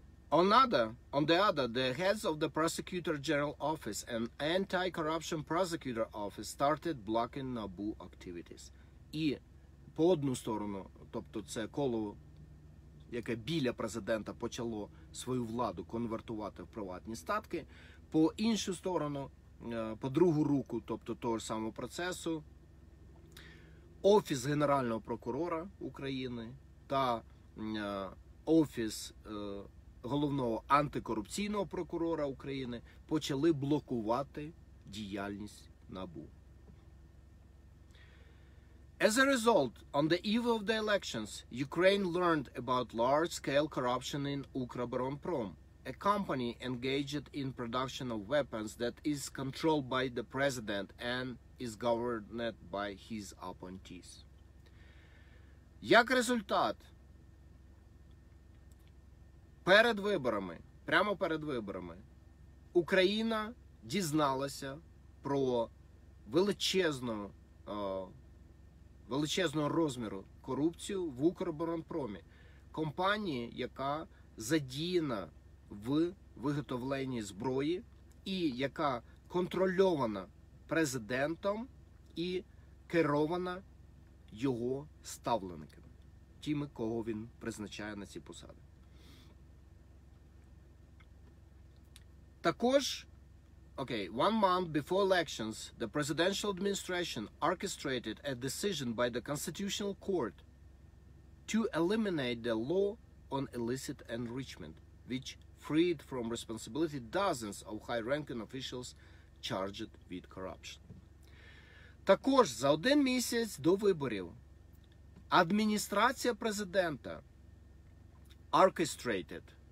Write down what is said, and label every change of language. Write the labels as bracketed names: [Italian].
[English] On the other, the heads of the Prosecutor General Office and Anti-Corruption Prosecutor Office started blocking NABU activities. [Ukrainian] І по одну сторону, тобто це коло, яке біля президента почало свою владу конвертувати в приватні статки, по іншу сторону, по другу руку, тобто того ж самого процесу, Офіс Генерального прокурора України та Офіс Головного антикорупційного прокурора України почали блокувати діяльність НАБУ. [English] As a result, on the eve of the elections, Ukraine learned about large-scale corruption in Ukroboronprom, a company engaged in production of weapons that is controlled by the president and is governed by his appointees. [Ukrainian] Як результат, перед виборами, прямо перед виборами, Україна дізналася про величезного розміру корупцію в Укроборонпромі, компанії, яка задіяна в виготовленні зброї і яка контрольована президентом і керована його ставленниками, тими, кого він призначає на ці посади. Також, [English] one month before elections, the presidential administration orchestrated a decision by the Constitutional Court to eliminate the law on illicit enrichment, which freed from responsibility dozens of high-ranking officials charged with corruption. [Ukrainian] Також за один місяць до виборів адміністрація президента [English] orchestrated,